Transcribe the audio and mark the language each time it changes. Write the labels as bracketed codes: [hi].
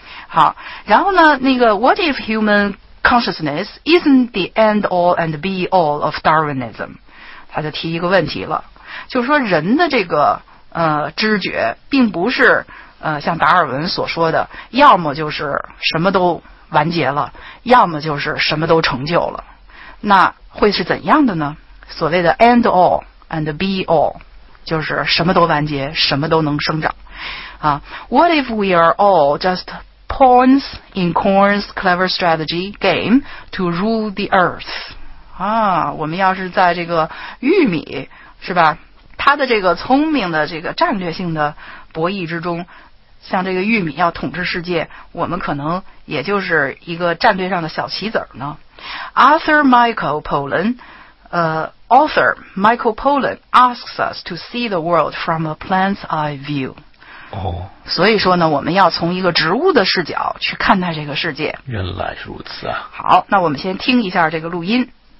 [zh] 好，然后呢，那个 [en] What if human consciousness isn't the end all and be all of Darwinism？ [zh] 他就提一个问题了，就是说人的这个知觉，并不是像达尔文所说的，要么就是什么都完结了，要么就是什么都成就了，那会是怎样的呢？所谓的 [en] end all and be all。 [zh] 就是什么都完结，什么都能生长啊。 [en] What if we are all just pawns in corn's clever strategy game to rule the earth？ [zh] 啊，我们要是在这个玉米是吧，它的这个聪明的这个战略性的博弈之中，像这个玉米要统治世界，我们可能也就是一个战略上的小棋子呢。 [en] Arthur Michael Pollan Author Michael Pollan asks us to see the world from a plant's eye view. 哦、oh, ， [zh] 所以说呢，我们要从一个植物的视角去看待这个世界。原来如此啊！好，那我们先听一下这个录音。